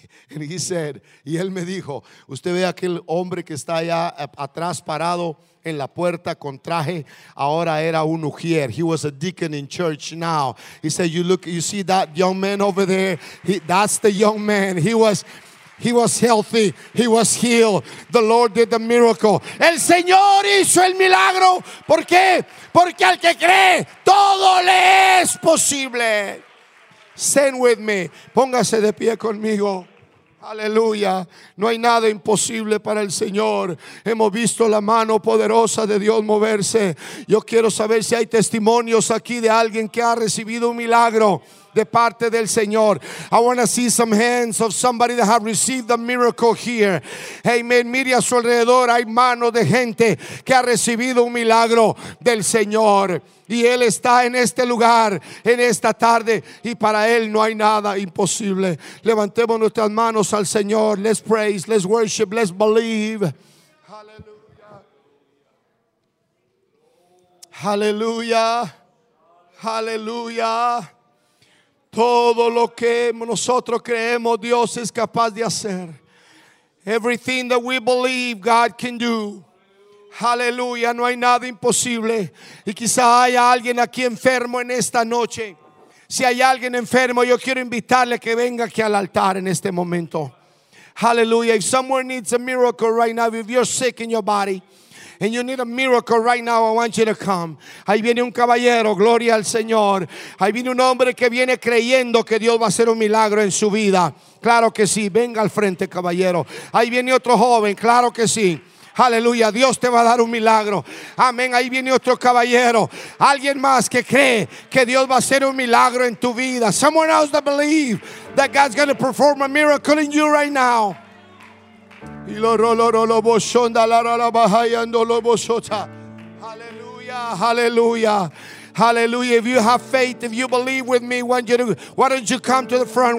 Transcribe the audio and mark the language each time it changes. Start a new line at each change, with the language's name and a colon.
English: And he said,
Spanish: y él me dijo, usted ve aquel hombre que está allá atrás parado en la puerta con traje, ahora era un ujier.
English: He was a deacon in church now. He said, you look, you see that young man over there? That's the young man. He was healthy. He was healed. The Lord did the miracle.
Spanish: El Señor hizo el milagro. ¿Por qué? Porque al que cree, todo le es posible.
English: Stand with me.
Spanish: Póngase de pie conmigo. Aleluya. No hay nada imposible para el Señor. Hemos visto la mano poderosa de Dios moverse. Yo quiero saber si hay testimonios aquí de alguien que ha recibido un milagro de parte del Señor.
English: I want to see some hands of somebody that have received a miracle here.
Spanish: Amen. Mire a su alrededor. Hay manos de gente que ha recibido un milagro del Señor. Y Él está en este lugar, en esta tarde. Y para Él no hay nada imposible. Levantemos nuestras manos al Señor.
English: Let's praise, let's worship, let's believe. Hallelujah. Hallelujah. Hallelujah.
Spanish: Todo lo que nosotros creemos, Dios es capaz de hacer.
English: Everything that we believe, God can do.
Spanish: Aleluya, no hay nada imposible. Y quizá haya alguien aquí enfermo en esta noche. Si hay alguien enfermo, yo quiero invitarle que venga aquí al altar en este momento. Aleluya.
English: If someone needs a miracle right now, if you're sick in your body and you need a miracle right now, I want you to come.
Spanish: Ahí viene un caballero, gloria al Señor. Ahí viene un hombre que viene creyendo que Dios va a hacer un milagro en su vida. Claro que sí, venga al frente, caballero. Ahí viene otro joven, claro que sí. Aleluya, Dios te va a dar un milagro. Amén, ahí viene otro caballero. Alguien más que cree que Dios va a hacer un milagro en tu vida.
English: Someone else that believe that God's going to perform a miracle in you right now. Y lo boshonda la la bajando lo boshota. Aleluya, aleluya. Hallelujah. If you have faith, if you believe with me, why don't you come to the front?